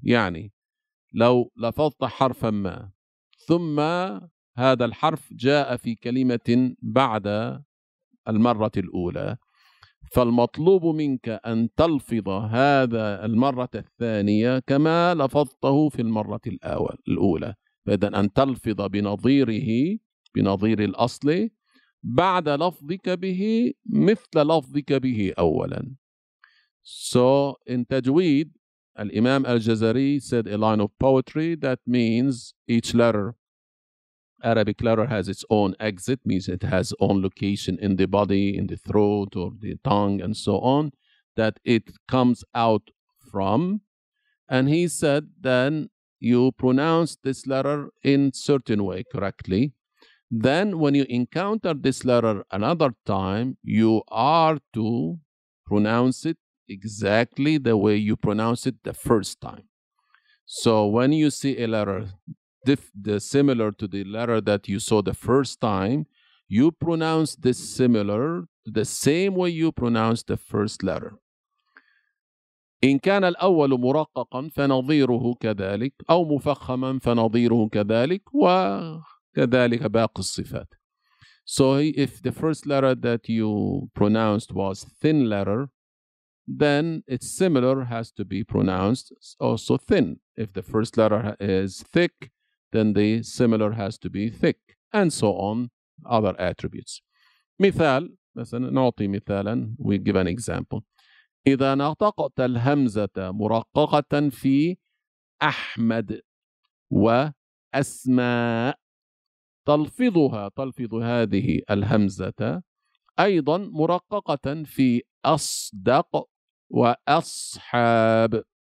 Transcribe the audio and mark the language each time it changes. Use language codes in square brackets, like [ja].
[ar] يعني لو لفظت حرفا ما ثم هذا الحرف جاء في كلمة بعد المرة الأولى, فالمطلوب منك أن تلفظ هذا المرة الثانية كما لفظته في المرة الأولى. فإذا أن تلفظ بنظيره, بنظير الأصل بعد لفظك به مثل لفظك به أولا. [en] So in تجويد الإمام الجزري said a line of poetry that means each letter, Arabic letter, has its own exit, means it has own location in the body, in the throat or the tongue and so on. that it comes out from. And he said, then you pronounce this letter in certain way correctly. Then when you encounter this letter another time, you are to pronounce it exactly the way you pronounce it the first time. So when you see a letter similar to the letter that you saw the first time, you pronounce this similar the same way you pronounce the first letter. [ar] إن كان الأول مرققا فنظيره كذلك أو مفخما فنظيره كذلك وكذلك باقي الصفات. [en] So if the first letter that you pronounced was thin letter, then it's similar has to be pronounced also thin. If the first letter is thick, then the similar has to be thick, and so on, other attributes. [ar] مثال, مثلا نعطي مثالا, [en] we give an example. [ar] إذا نطقت الهمزة مرققة في أحمد وأسماء تلفظها, تلفظ هذه الهمزة أيضا مرققة في أصدق وأصحاب.